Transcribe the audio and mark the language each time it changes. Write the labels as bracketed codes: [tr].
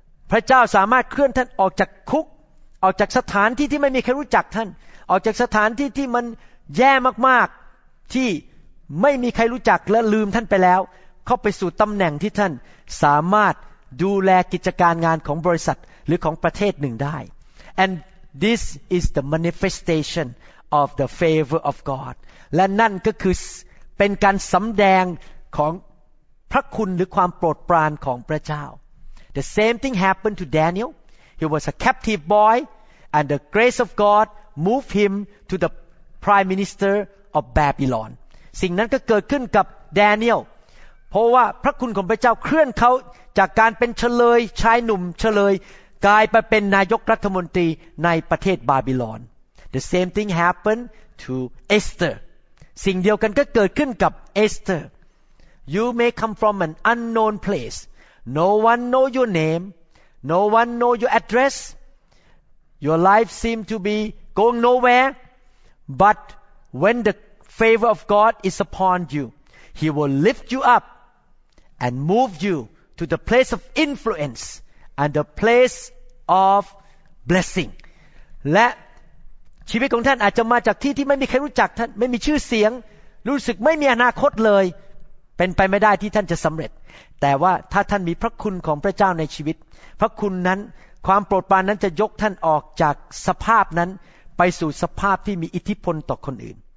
[th] พระเจ้าสามารถเคลื่อนท่านออกจากคุกออกจากสถานที่ที่ไม่มีใครรู้จักท่านออกจากสถานที่ที่มันแย่มากๆที่ไม่มีใครรู้จักและลืมท่านไปแล้วเข้าไปสู่ตำแหน่งที่ท่านสามารถดูแลกิจการงานของบริษัทหรือของประเทศหนึ่งได้ [en] And this is the manifestation of the favor of God. [th] และนั่นก็คือเป็นการสำแดงของ พระคุณหรือความโปรดปรานของพระเจ้า [en] The same thing happened to Daniel. He was a captive boy and the grace of God moved him to the prime minister of Babylon. [th] สิ่งนั้นก็เกิดขึ้นกับ Daniel. เพราะว่าพระคุณของพระเจ้าเคลื่อนเขาจากการเป็นเฉลยชายหนุ่มเฉลยกลายไปเป็นนายกรัฐมนตรีในประเทศบาบิลอน [en] The same thing happened to Esther. [th] สิ่งเดียวกันก็เกิดขึ้นกับ Esther. [en] You may come from an unknown place. No one know your name. No one know your address. Your life seem to be going nowhere. But when the favor of God is upon you, He will lift you up and move you to the place of influence and the place of blessing. [th] และชีวิตของท่านอาจจะมาจากที่ที่ไม่มีใครรู้จักท่านไม่มีชื่อเสียงรู้สึกไม่มีอนาคตเลยเป็นไปไม่ได้ที่ท่านจะสำเร็จแต่ว่าถ้าท่านมีพระคุณของพระเจ้าในชีวิตพระคุณนั้นความโปรดปรานนั้นจะยกท่านออกจากสภาพนั้นไปสู่สภาพที่มีอิทธิพลต่อคนอื่น